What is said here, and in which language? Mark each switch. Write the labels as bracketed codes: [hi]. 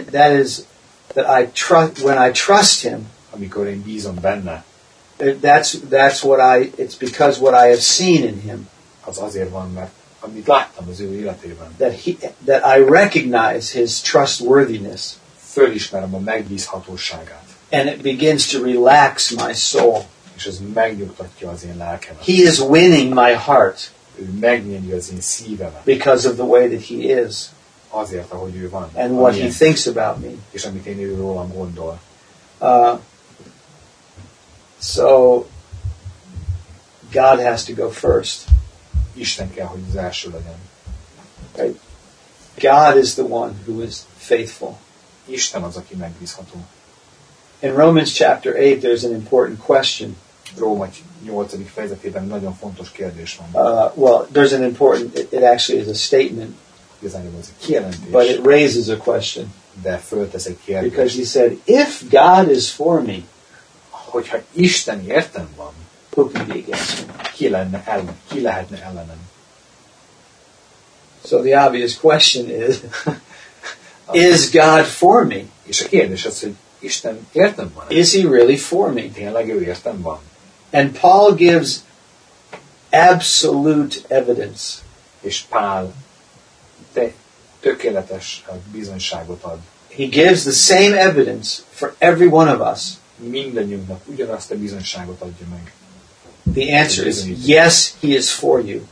[en] That I trust, when I trust him, [hu] amikor én bízom benne, [en] that's what I, it's because what I have seen in him, [hu] az azért van, mert amit láttam az ő életében, [en] that I recognize his trustworthiness, [hu] fölismerem a megbízhatóságát, [en] and it begins to relax my soul, [hu] és ez megnyugtatja az én lelkemet. [en] He is winning my heart, [hu] ő megnyeri az én szívemet, [en] because of the way that he is, [hu] azért, ahogy ő van, [en] and what he thinks about me, [hu] és amit én rólam gondol. [en] So God has to go first. [hu] Isten kell, hogy az első legyen. [en] Okay. God is the one who is faithful. [hu] Isten az, aki megbízható. [en] In Romans chapter 8 there's an important question. [hu] Róma 8. fejezetében nagyon fontos kérdés van. [en] It actually is a statement. [hu] Ez a kijelentés. [en] But it raises a question. [hu] De föltesz egy kérdést. [en] Because he said, if God is for me, [hu] hogyha Isten értem van, [en] who can be against me? [hu] Ki lehetne ellenem? [en] So the obvious question is, is God for me? [hu] És a kérdés az, hogy Isten értem van? [en] Is he really for me? [hu] Tényleg ő értem van? [en] And Paul gives absolute evidence. [hu] És Pál tökéletes bizonyságot ad. [en] He gives the same evidence for every one of us. [hu] Mindannyiunknak ugyanazt a bizonyságot adja meg. [en] The answer is yes, he is for you.